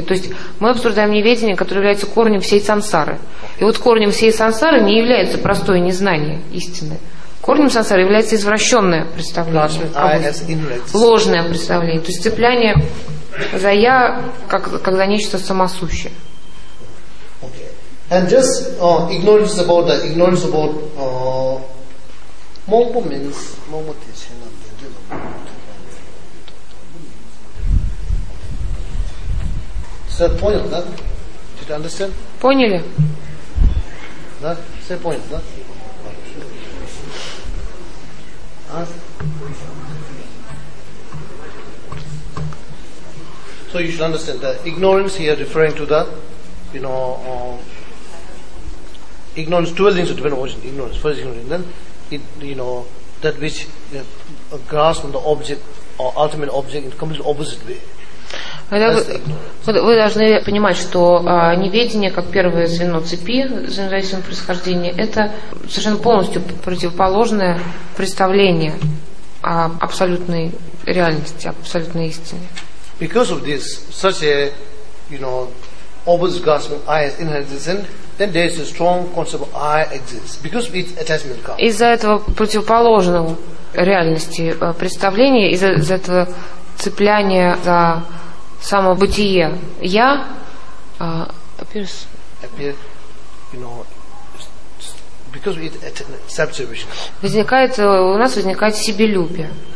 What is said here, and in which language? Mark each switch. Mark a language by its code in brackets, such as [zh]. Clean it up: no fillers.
[ru] То есть мы обсуждаем неведение, которое является корнем всей сансары. И вот корнем всей сансары не является простое незнание истины. Корнем сансары является извращенное представление. Ложное представление. То есть цепляние за я как за нечто самосущее. [en] And just ignorance about the ignorance about mongpo means mongpo teaching and then just [ru] понял, да? [en] Did you understand? [ru] Поняли. Да? Все понял, да? [en] So you should understand that ignorance here referring to the, you know, ignorance, two things of divine origin, ignorance, first ignorance, then, it, you know, that which grasps on the object, or ultimate object, in a completely opposite way. [ru] Вы должны понимать, что неведение, как первое звено цепи взаимозависимого происхождения, это совершенно полностью противоположное представление о абсолютной реальности, об абсолютной истине. [en] Because of this, such a, you know, opposite grasping, I as inherent existence, then there is a strong concept of I exists, because of its attachment comes. [ru] Из-за этого противоположного реальности представления, из-за этого цепляния за самобытие, я [en] appears. Appear, you know, because of its self-observation. [ru] Возникает, у нас возникает себелюбие.